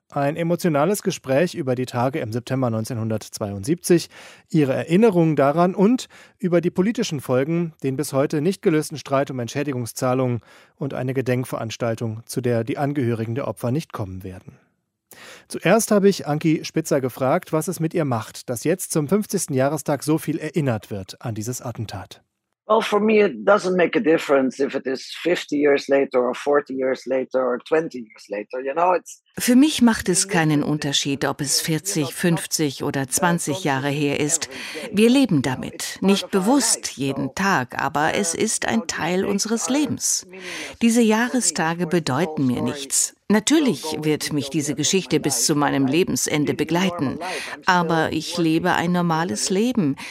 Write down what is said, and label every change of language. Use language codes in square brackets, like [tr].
[de] Ein emotionales Gespräch über die Tage im September 1972, ihre Erinnerungen daran und über die politischen Folgen, den bis heute nicht gelösten Streit um Entschädigungszahlungen und eine Gedenkveranstaltung, zu der die Angehörigen der Opfer nicht kommen werden. Zuerst habe ich Anki Spitzer gefragt, was es mit ihr macht, dass jetzt zum 50. Jahrestag so viel erinnert wird an dieses Attentat. [en] Well, for me, it doesn't make a difference if it is 50 years later or 40 years later or 20 years later. You know, it's. [de] Für mich macht es keinen Unterschied, ob es 40, 50 oder 20 Jahre her ist. Wir leben damit, nicht bewusst jeden Tag, aber es ist ein Teil unseres Lebens. Diese Jahrestage bedeuten mir nichts. Natürlich wird mich diese Geschichte bis zu meinem Lebensende begleiten, aber ich lebe ein normales Leben.